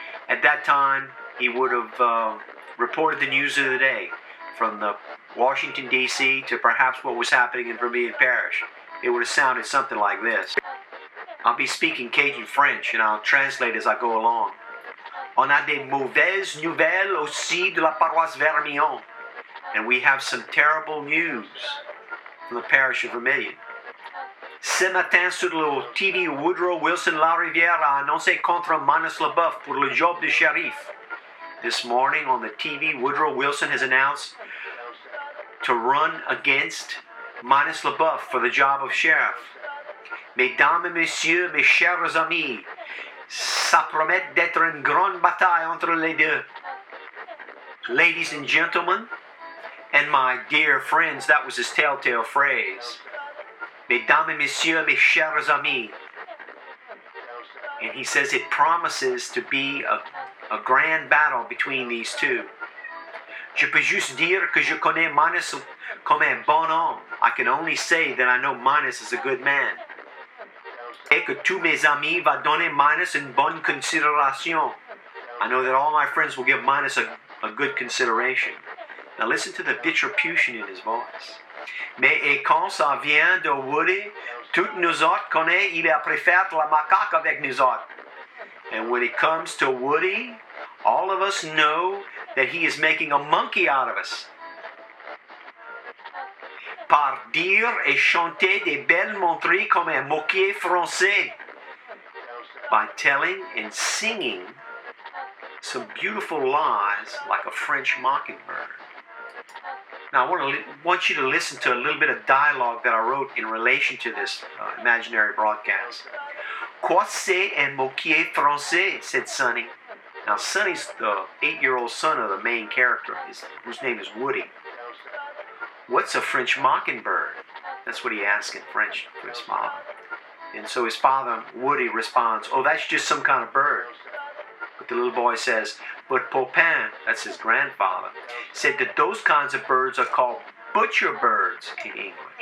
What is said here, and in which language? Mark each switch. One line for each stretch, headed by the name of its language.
English: At that time, he would have reported the news of the day, from the Washington, D.C. to perhaps what was happening in Vermilion Parish. It would have sounded something like this. I'll be speaking Cajun French, and I'll translate as I go along.
French: On a des mauvaises nouvelles aussi de la paroisse Vermillon.
English: And we have some terrible news from the parish of Vermilion.
French: Ce matin sur le TV, Woodrow Wilson LaRivière a annoncé contre Manus LaBeouf pour le job de shérif.
English: This morning on the TV, Woodrow Wilson has announced to run against Manus LaBeouf for the job of sheriff.
French: Mesdames et messieurs, mes chers amis, ça promet d'être une grande bataille entre les deux.
English: Ladies and gentlemen, and my dear friends, that was his telltale phrase.
French: Mesdames et messieurs, mes chers amis.
English: And he says it promises to be a grand battle between these two.
French: Je peux juste dire que je connais Manus comme un bon homme.
English: I can only say that I know Manus is a good man.
French: Et que tous mes amis va donner Manus une bonne considération.
English: I know that all my friends will give Manus a good consideration. Now listen to the vitriol in his voice.
French: Mais et quand ça vient de Woody, tout nous autres connaît, il a préféré la macaque avec nous autres.
English: And when it comes to Woody, all of us know that he is making a monkey out of us.
French: Par dire et chanter des belles montries comme un moquier français.
English: By telling and singing some beautiful lies like a French mockingbird. Now I want you to listen to a little bit of dialogue that I wrote in relation to this imaginary broadcast.
French: Quoi c'est un moquier français?
English: Said Sonny. Now, Sonny's the 8-year-old son of the main character, whose name is Woody. What's a French mockingbird? That's what he asks in French to his father. And so his father, Woody, responds, oh, that's just some kind of bird. But the little boy says, but Popin, that's his grandfather, said that those kinds of birds are called butcher birds in English.